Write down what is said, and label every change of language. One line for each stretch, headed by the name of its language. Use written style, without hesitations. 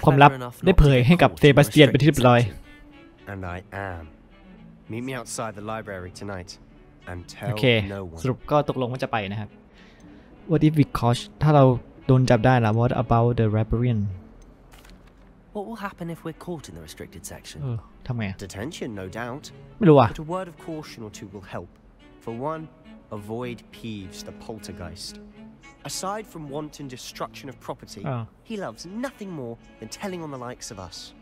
English: clever enough
Thai: ได้เผยให้กับเซบาสเตียนเป็นที่เรียบร้อย
English: And I am. Meet me outside the library tonight and tell no one.
Thai: สรุปก็ตกลงว่าจะไปนะครับ
English: What if we catch
Thai: ถ้าเราโดนจับได้ล่ะ
English: What about the librarian? What will happen if we're caught in the restricted section?
Thai: ทำไง
English: Detention, no doubt.
Thai: ไม่รู้อ่ะ
English: But a word of caution or two will help. For one, avoid Peeves, the poltergeist. Aside from wanton destruction of property, he loves nothing more than telling on the likes of us.